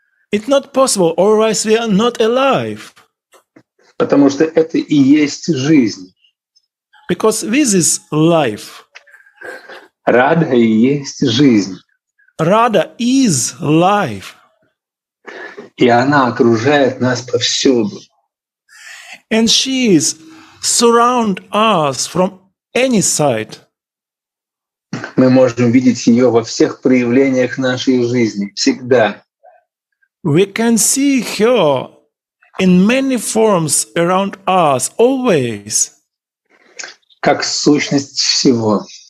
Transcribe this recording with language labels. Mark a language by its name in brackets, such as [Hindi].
[English] It's not possible, otherwise we are not alive. [Russian] Потому что это и есть жизнь. [English] Because this is life. [Russian] Радха и есть жизнь. [English] Radha is life. [Russian] И она окружает нас повсюду. [English] And she is surround us from any side. [Russian] Мы можем видеть ее во всех проявлениях нашей жизни, всегда. [English] We can see her in many forms around us, always. [Russian] Как сущность всего.